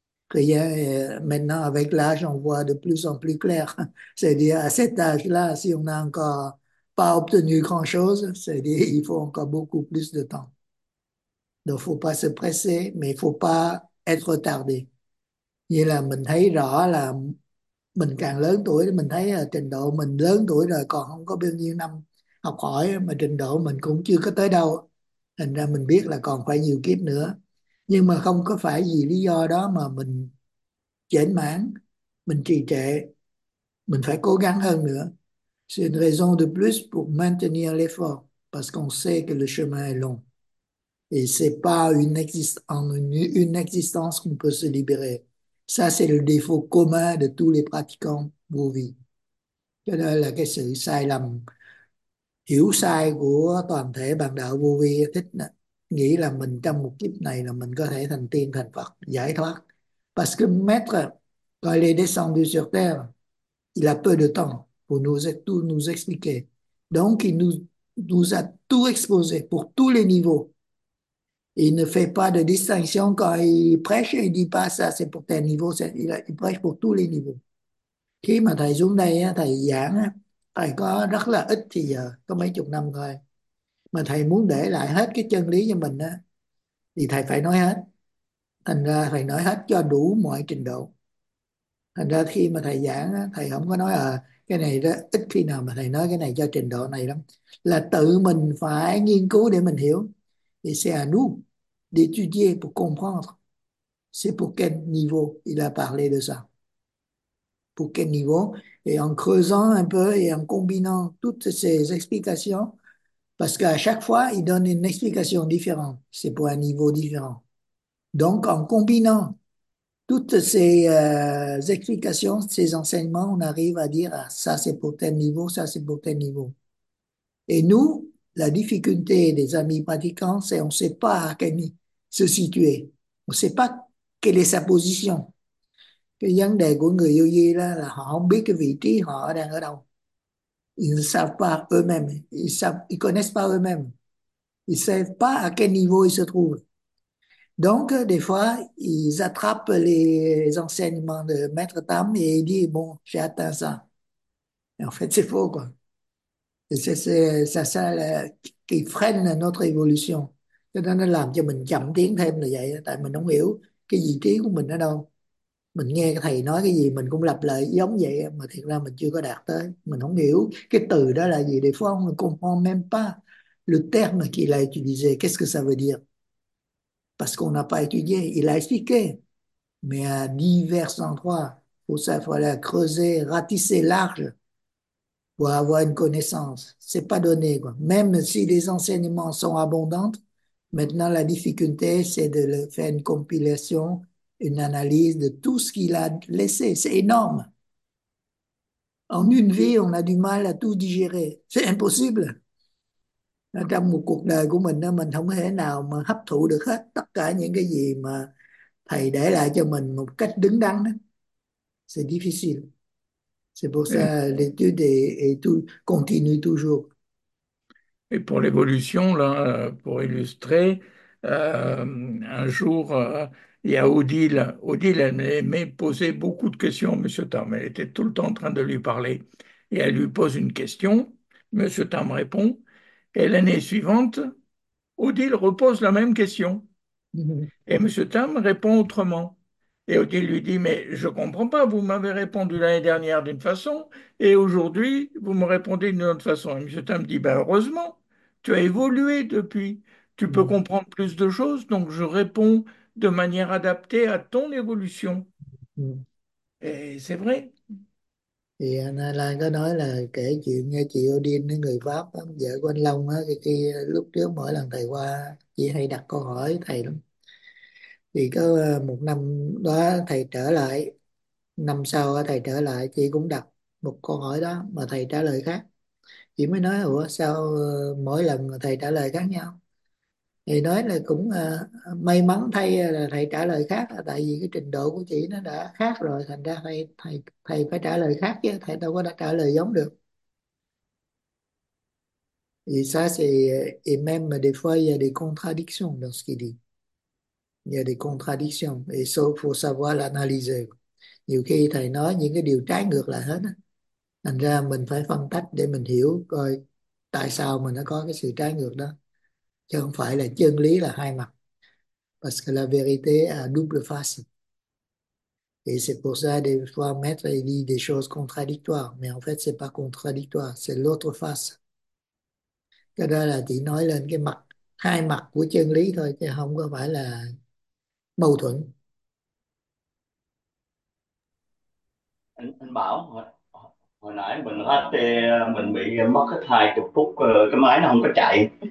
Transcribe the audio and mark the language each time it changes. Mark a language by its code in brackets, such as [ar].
[fr] Rien, maintenant, avec l'âge, on voit de plus en plus clair. C'est-à-dire, à cet âge-là, si on n'a encore pas obtenu grand-chose, c'est-à-dire, il faut encore beaucoup plus de temps. Donc, faut pas se presser, mais il faut pas être tardé. [vi] Vậy là mình thấy rõ là mình càng lớn tuổi thì mình thấy là trình độ mình lớn tuổi rồi còn không có bao nhiêu năm học hỏi mà trình độ mình cũng chưa có tới đâu. Thành ra mình biết là còn phải nhiều kiếp nữa. Nhưng mà không có phải vì lý do đó mà mình chểnh mảng, mình trì trệ, mình phải cố gắng hơn nữa. [fr] C'est une raison de plus pour maintenir l'effort parce qu'on sait que le chemin est long. Et c'est pas une existence qu'on peut se libérer. Ça, c'est le défaut commun de tous les pratiquants bouddhistes. [vi] Cho nên là cái sự sai lầm, hiểu sai của toàn thể bạn đạo bouddhi thích nghĩ là mình trong một kiếp này là mình có thể thành tiên, thành Phật, giải thoát. [fr] Parce que maître, quand il est descendu sur Terre, il a peu de temps pour tout nous expliquer. Donc, il nous a tout exposé pour tous les niveaux. Il ne fait pas de distinction quand il prêche, il dit pas ça, c'est pour tel niveau, il prêche pour tous les niveaux. [vi] Khi mà thầy xuống đây, thầy giảng, thầy có rất là ít thì giờ, có mấy chục năm thôi. Mà thầy muốn để lại hết cái chân lý cho mình á, thì thầy phải nói hết. Thành ra thầy nói hết cho đủ mọi trình độ. Thành ra khi mà thầy giảng, thầy không có nói cái này đó, ít khi nào mà thầy nói cái này cho trình độ này lắm. Là tự mình phải nghiên cứu để mình hiểu. [fr] Et c'est à nous d'étudier pour comprendre. C'est pour quel niveau il a parlé de ça. Pour quel niveau? Et en creusant un peu et en combinant toutes ces explications, parce qu'à chaque fois, il donne une explication différente. C'est pour un niveau différent. Donc, en combinant toutes ces explications, ces enseignements, on arrive à dire, ah, ça c'est pour tel niveau, ça c'est pour tel niveau. Et nous, la difficulté des amis pratiquants, c'est qu'on ne sait pas à quel niveau se situer. On ne sait pas quelle est sa position. [vi] Cái vấn đề của người yogi đó là họ không biết cái vị trí họ đang ở đâu. [fr] Ils ne savent pas eux-mêmes. Ils connaissent pas eux-mêmes. Ils ne savent pas à quel niveau ils se trouvent. Donc, des fois, ils attrapent les enseignements de Maître Tam et ils disent, bon, j'ai atteint ça. Et en fait, c'est faux, quoi. C'est ça qui freine notre évolution. [vi] Cho nên nó làm cho mình chậm tiến thêm là vậy. Tại mình không hiểu cái vị trí của mình ở đâu. Mình nghe cái thầy nói cái gì mình cũng lặp lại giống vậy. Mà thiệt ra mình chưa có đạt tới. Mình không hiểu cái từ đó là gì. [fr] Des fois, on ne comprend même pas le terme qu'il a utilisé. Qu'est-ce que ça veut dire? Parce qu'on n'a pas étudié. Il a expliqué. Mais à divers endroits, pour ça, il fallait creuser, ratisser large. Pour avoir une connaissance, c'est pas donné, quoi. Même si les enseignements sont abondants, maintenant la difficulté, c'est de faire une compilation, une analyse de tout ce qu'il a laissé. C'est énorme. En une vie, on a du mal à tout digérer. C'est impossible. [vi] Trong một cuộc đời của mình không thể nào mà hấp thụ được hết tất cả những cái gì mà thầy để lại cho mình một cách đứng đắn. [fr] C'est difficile. C'est pour ça l'étude est tout continue toujours. Et pour l'évolution, là, pour illustrer, un jour, il y a Odile. Odile, elle aimait poser beaucoup de questions à M. Tam. Elle était tout le temps en train de lui parler. Et elle lui pose une question. M. Tam répond. Et l'année suivante, Odile repose la même question. Et M. Tam répond autrement. Et Odile lui dit, mais je ne comprends pas, vous m'avez répondu l'année dernière d'une façon, et aujourd'hui, vous me répondez d'une autre façon. Et M. Tam dit, ben heureusement, tu as évolué depuis. Tu peux comprendre plus de choses, donc je réponds de manière adaptée à ton évolution. Et c'est vrai. [vi] Thì anh Hai Lan có nói là kể chuyện nghe chị Odin, người Pháp đó, vợ của anh Long á, khi lúc trước mỗi lần thầy qua chị hay đặt câu hỏi thầy lắm. Thì có một năm đó thầy trở lại, năm sau đó, thầy trở lại chị cũng đặt một câu hỏi đó mà thầy trả lời khác. Chị mới nói, ủa sao mỗi lần thầy trả lời khác nhau? Thì nói là cũng may mắn thay là thầy trả lời khác, tại vì cái trình độ của chị nó đã khác rồi, thành ra thầy thầy thầy phải trả lời khác chứ thầy đâu có đã trả lời giống được. [fr] Et ça c'est, et même des fois il y a des contradictions dans ce qu'il dit. Il y a des contradictions et so, faut savoir l'analyser. [vi] Nhiều khi thầy nói những cái điều trái ngược lại hết, thành ra mình phải phân tích để mình hiểu coi tại sao mà nó có cái sự trái ngược đó, chứ không phải là chân lý là hai mặt. [fr] Parce que la vérité a double face. Et c'est pour ça des fois maître il dit des choses contradictoires. Mais en fait, c'est pas contradictoire, c'est l'autre face. [vi] Cái đó là chỉ nói lên cái mặt, hai mặt của chân lý thôi, chứ không có phải là mâu thuẫn. Anh Bảo, hồi nãy mình hết thì mình bị mất hết 20 phút, cái máy nó không có chạy.